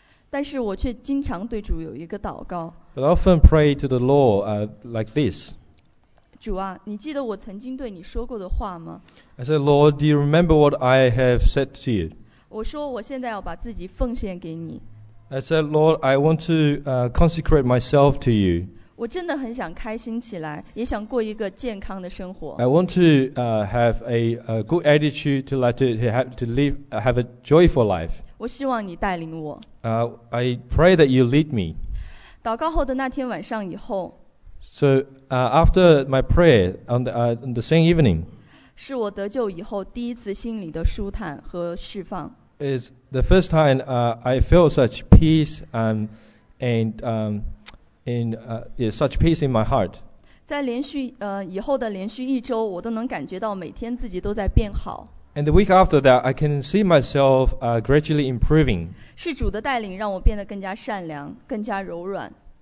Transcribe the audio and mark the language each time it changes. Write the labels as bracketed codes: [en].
[zh] 但是我却经常对主有一个祷告。 [en] But I often pray to the Lord like this. [zh] 主啊，你记得我曾经对你说过的话吗 [en] ？I said, Lord, do you remember what I have said to you? [zh] 我说我现在要把自己奉献给你。 [en] I said, Lord, I want to consecrate myself to you. [zh] 我真的很想开心起来，也想过一个健康的生活。 [en] I want to have a good attitude to like to live have a joyful life. [zh] 我希望你带领我。 [en] I pray that you lead me. [zh] 祷告后的那天晚上以后。 [en] So after my prayer on the same evening. [zh] 是我得救以后第一次心里的舒坦和释放。 [en] Is the first time I feel such peace such peace in my heart. [zh] 在连续以后的连续一周，我都能感觉到每天自己都在变好。 [en] And the week after that, I can see myself gradually improving. [zh] 是主的带领让我变得更加善良，更加柔软。